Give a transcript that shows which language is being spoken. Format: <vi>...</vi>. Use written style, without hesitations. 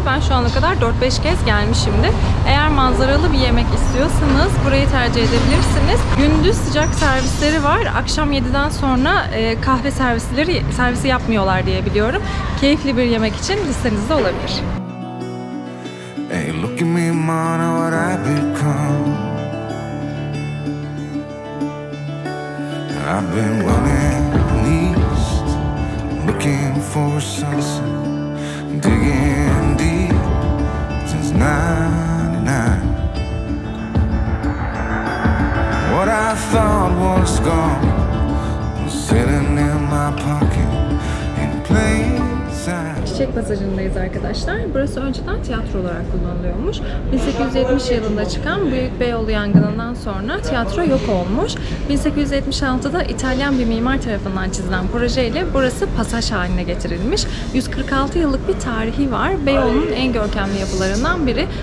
<tr>Ben şu ana kadar 4-5 kez gelmişimdi. Eğer manzaralı bir yemek istiyorsanız burayı tercih edebilirsiniz. Gündüz sıcak servisleri var. Akşam 7'den sonra kahve servisi yapmıyorlar diye biliyorum. Keyifli bir yemek için listenizde olabilir.</tr> <en>Hey, look at me, mana, what I become. I've been running east, looking for something, digging deep since 99. What I thought was gone was sitting in my pocket in plain sight.</en> <tr>Çiçek Pasajı'ndayız arkadaşlar. Burası önceden tiyatro olarak kullanılıyormuş. 1870 yılında çıkan Büyük Beyoğlu yangınından sonra tiyatro yok olmuş. 1876'da İtalyan bir mimar tarafından çizilen projeyle burası pasaj haline getirilmiş. 146 yıllık bir tarihi var. Beyoğlu'nun en görkemli yapılarından biri.</tr>